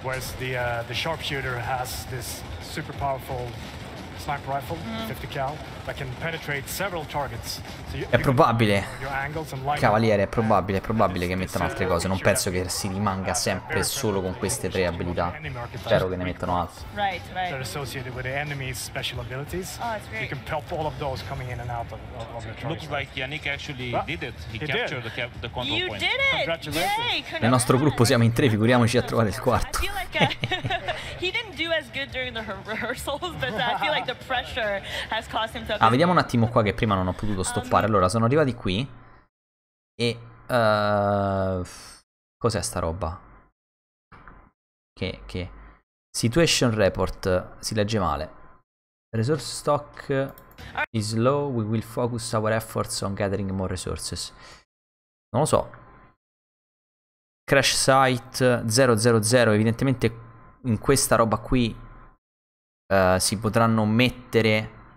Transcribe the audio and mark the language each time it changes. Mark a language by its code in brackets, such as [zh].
[en] Whereas the sharpshooter has this super powerful sniper rifle, 50 cal, that can penetrate several targets. [it] È probabile. Cavaliere, è probabile che mettano altre cose. Non penso che si rimanga sempre solo con queste tre abilità. Spero che ne mettano altre. [en] Right, right. They're associated with the enemy's special abilities. Oh, that's great. You can pop all of those coming in and out of the target. Looks like Yannick actually did it. He captured the control point. You did it! Congratulations! Yay, [it] nel nostro gruppo siamo in tre, figuriamoci a trovare il quarto. [en] He didn't do as good during the rehearsals, but I feel like the pressure has caused him to. [it] Ah, vediamo un attimo qua che prima non ho potuto stoppare. Allora, sono arrivati qui e cos'è sta roba? Che situation report si legge male. [en] Resource stock is low, we will focus our efforts on gathering more resources. [it] Non lo so. Crash site 000, evidentemente in questa roba qui si potranno mettere.